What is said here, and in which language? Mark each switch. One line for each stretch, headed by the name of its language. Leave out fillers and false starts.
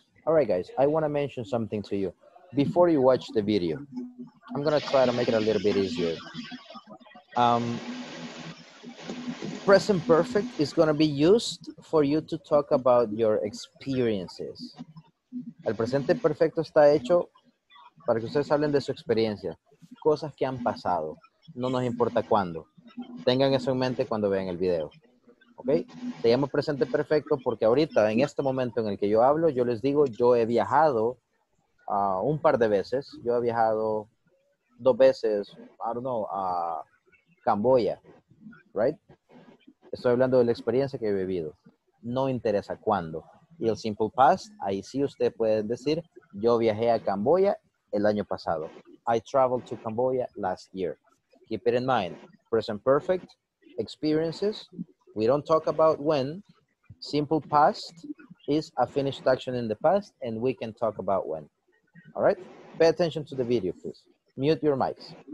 English: All right, guys, I want to mention something to you. Before you watch the video, I'm going to try to make it a little bit easier. Present perfect is going to be used for you to talk about your experiences.
Spanish: El presente perfecto está hecho para que ustedes hablen de su experiencia. Cosas que han pasado. No nos importa cuándo. Tengan eso en mente cuando vean el video. ¿Ok? Se llama presente perfecto porque ahorita, en este momento en el que yo hablo, yo les digo, yo he viajado un par de veces. Yo he viajado dos veces, a Camboya. ¿Right? Estoy hablando de la experiencia que he vivido. No interesa cuándo. Y el simple past, ahí sí usted puede decir, yo viajé a Camboya el año pasado.
English: I traveled to Camboya last year. Keep it in mind, present perfect, experiences, we don't talk about when. Simple past is a finished action in the past, and we can talk about when. All right? Pay attention to the video, please. Mute your mics.